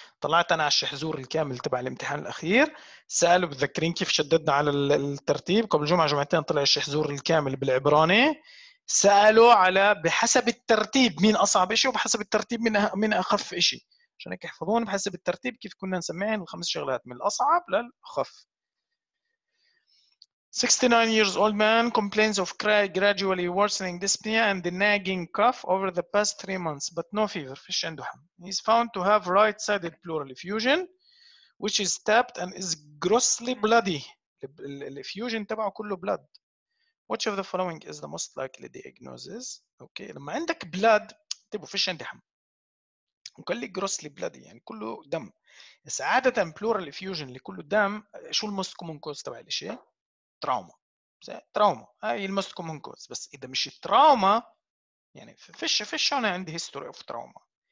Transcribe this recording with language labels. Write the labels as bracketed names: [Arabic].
[Arabic] طلعت انا على الشحزور الكامل تبع الامتحان الاخير، سالوا بتذكرين كيف شددنا على الترتيب قبل جمعه جمعتين طلع الشحزور الكامل بالعبراني. سالوا على بحسب الترتيب مين اصعب شيء وبحسب الترتيب مين اخف شيء، عشان هيك احفظون بحسب الترتيب كيف كنا نسمعين الخمس شغلات من الاصعب للاخف. [English] 69 years old man complains of gradually worsening dyspnea and the nagging cough over the past 3 months but no fever. [Arabic] فيش عنده حم. [English] He's found to have right sided pleural effusion which is tapped and is grossly bloody. [Arabic] الافيوجن تبعه كله blood. [English] Which of the following is the most likely diagnosis? [Arabic] اوكي لما عندك blood طيب فيش عندي حم وقال لي [English] grossly bloody [Arabic] يعني كله دم. بس عادة pleural effusion اللي كله دم شو [English] الموست common cause [Arabic] تبع الاشي؟ تراوما. تراوما هاي [English] الموست common cause. [Arabic] بس اذا مش تراوما يعني فيش انا عندي [English] History of trauma.